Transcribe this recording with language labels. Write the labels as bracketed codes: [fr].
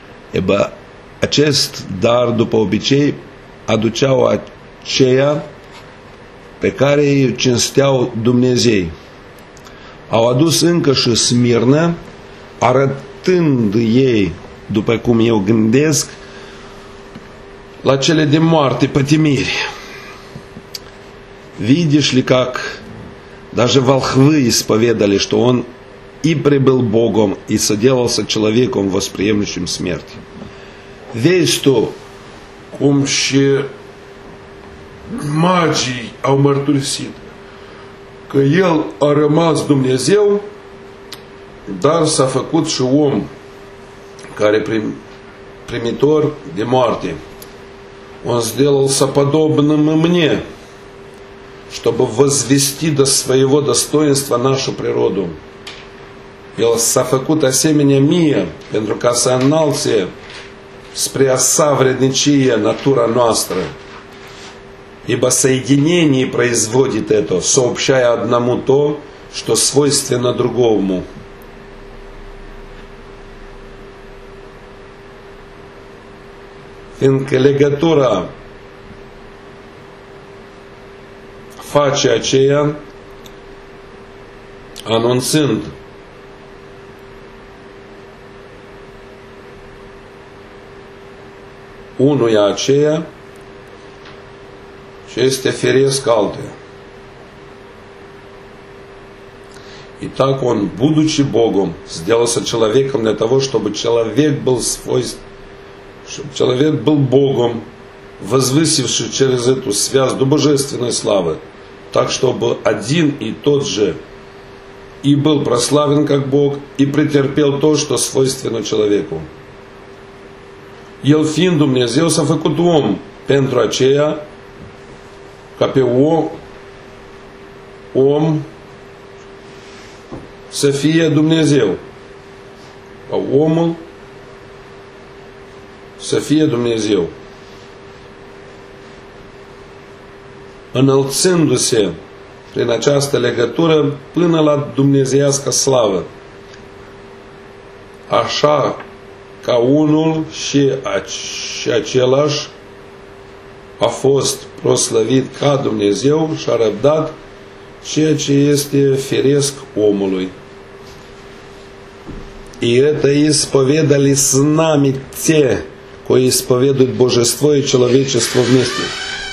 [ro] Eba, acest dar, după obicei, aduceau aceia pe care îi cinsteau Dumnezei. Au adus încă și smirnă, arătând ei, după cum eu gândesc, la cele de moarte, pătimiri. [ru] Видишь-ли, как даже волхвы исповедали, что он и прибыл Богом, и соделался человеком, восприемлющим смерть. [ro] Vezi tu cum și magii au mărturisit că El a rămas Dumnezeu, dar s-a făcut și om care primitor de moarte. [ru] Он сделался подобным и мне, чтобы возвести до своего достоинства нашу природу. [ro] El s-a făcut asemenea mie pentru ca să înalțe spre a sa vrednicie natura noastră. [ru] Ибо соединение производит это, сообщая одному то, что свойственно другому. [ro] Fiindcă legătura face aceea, anunțând unuia aceea ce este firesc altuia. [ru] И так он, будучи Богом, сделался человеком для того, чтобы человек был чтобы человек был Богом, возвысивший через эту связь до божественной славы, так чтобы один и тот же и был прославлен как Бог и претерпел то, что свойственно человеку. [ro] El fiind Dumnezeu s-a făcut om pentru aceea ca pe om să fie Dumnezeu. Ca omul să fie Dumnezeu. Înălțându-se prin această legătură până la dumnezeiască slavă. Așa ca unul și același a fost proslăvit ca Dumnezeu și a răbdat ceea ce este firesc omului. [ru] И это исповедали с нами те, кои исповедуют божество и человечество вместе.